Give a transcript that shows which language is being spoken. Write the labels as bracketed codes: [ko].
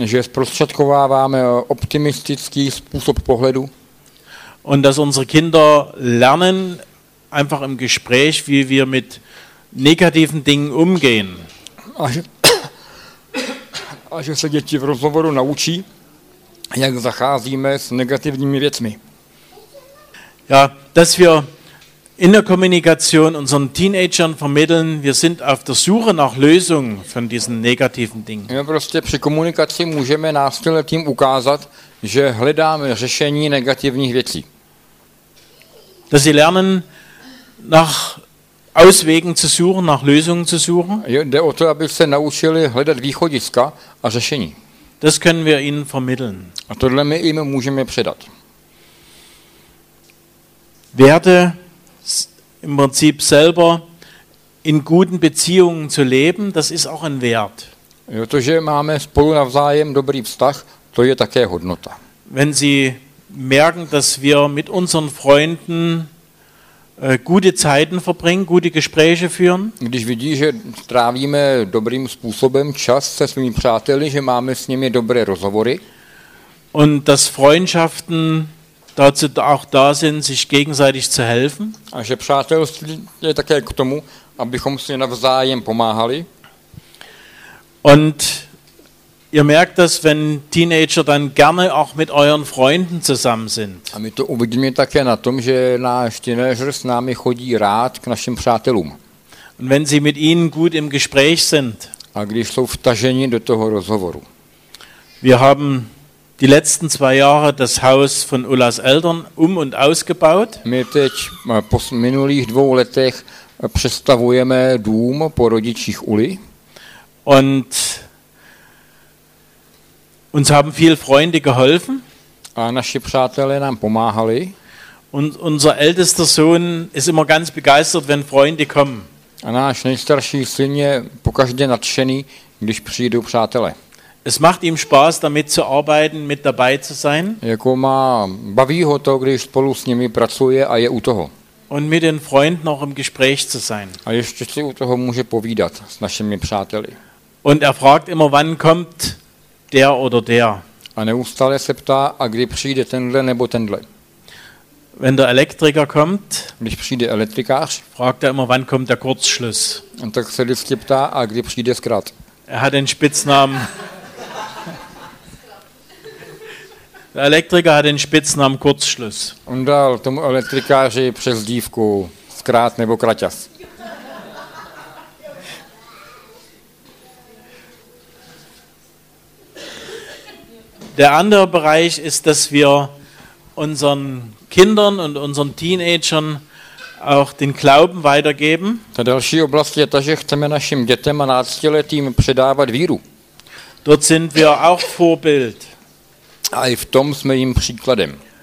[cs] že zprostředkováváme optimistický způsob pohledu, [de] und dass unsere Kinder lernen einfach im Gespräch, wie wir mit negativen Dingen umgehen. [cs] A že se děti v rozhovoru naučí, jak zacházíme s negativními věcmi. [de] Ja, dass wir in der Kommunikation unseren Teenagern vermitteln, wir sind auf der Suche nach Lösungen von diesen negativen Dingen. [cs] Ja, prostě při komunikaci můžeme následně ukázat, že hledáme řešení negativních věcí. [de] Dass sie lernen, nach Auswegen zu suchen, nach Lösungen zu suchen. [cs] Ja, jde o to, aby se naučili hledat východiska a řešení. [de] Das können wir ihnen vermitteln. [cs] A tohle my jim můžeme předat. [de] Werte im Prinzip selber in guten Beziehungen zu leben, das ist auch ein Wert. [cs] Jo, to, že máme spolu navzájem dobrý vztah, to je také hodnota. [de] Wenn Sie merken, dass wir mit unseren Freunden gute Zeiten verbringen, gute Gespräche führen. [cs] Když vidí, že trávíme dobrým způsobem čas se svými přáteli, že máme s nimi dobré rozhovory. [de] Und dass Freundschaften dazu auch da sind, sich gegenseitig zu helfen. [cs] A že přátelství je také k tomu, abychom si navzájem pomáhali. [de] Und ihr merkt das, wenn Teenager dann gerne auch mit euren Freunden zusammen sind. [cs] A my to uvidíme také na tom, že náš teenager s námi chodí rád k našim přátelům. [de] Und wenn sie mit ihnen gut im Gespräch sind. [cs] A když jsou vtaženi do toho rozhovoru. [de] Wir haben die letzten 2 Jahre das Haus von Ullas Eltern um- und ausgebaut. [cs] My teď po minulých 2 letech přestavujeme dům po rodičích Uli. [de] Und uns haben viel Freunde geholfen. [cs] A naši přátelé nám pomáhali. [de] Und unser ältester Sohn ist immer ganz begeistert, wenn Freunde kommen. [cs] A náš nejstarší syn je pokaždé nadšený, když přijdou přátelé. [de] Es macht ihm Spaß, damit zu arbeiten, mit dabei zu sein. [cs] Jako má, baví ho to, když spolu s nimi pracuje a je u toho. [de] Und mit den Freunden auch im Gespräch zu sein. [cs] A ještě si u toho může povídat s našimi přáteli. [de] Und er fragt immer, wann kommt der oder der. [cs] A neustále se ptá, a kdy přijde tenhle nebo tenhle. [de] Wenn der Elektriker kommt, [cs] když přijde elektrikář, [de] fragt er immer, wann kommt der Kurzschluss. [cs] A tak se vždycky ptá, a kdy přijde zkrat. [de] Er hat den Spitznamen. Der Elektriker hat den Spitznamen Kurzschluss. [cs] On dal tomu elektrikáři přezdívku zkrát nebo kraťas. [de] Der andere Bereich ist, dass wir unseren Kindern und unseren Teenagern auch den Glauben weitergeben. [cs] Ta další oblast je ta, že chceme našim dětem a náctiletým předávat víru. [de] Dort sind wir auch Vorbild. [cs] A i v tom jsme jim příkladem.